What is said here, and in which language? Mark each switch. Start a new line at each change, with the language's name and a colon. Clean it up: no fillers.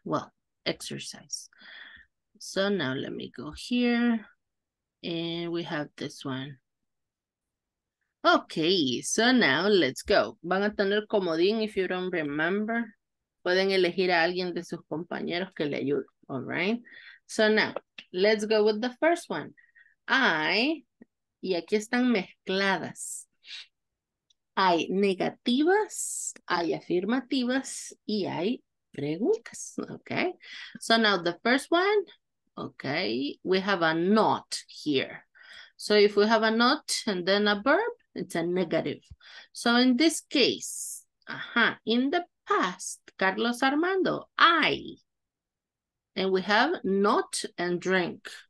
English: Well, exercise. So now let me go here. And we have this one. Okay, so now let's go.
Spanish: Van a tener comodín
English: if you don't remember.
Spanish: Pueden elegir a alguien de sus compañeros que le ayude.
English: All right. So now, let's go with the first one.
Spanish: Y aquí están mezcladas. Hay negativas, hay afirmativas, y hay preguntas, okay?
English: So now the first one, okay, we have a not here. So if we have a not and then a verb, it's a negative. So in this case, in the past, Carlos Armando, and we have not and drink.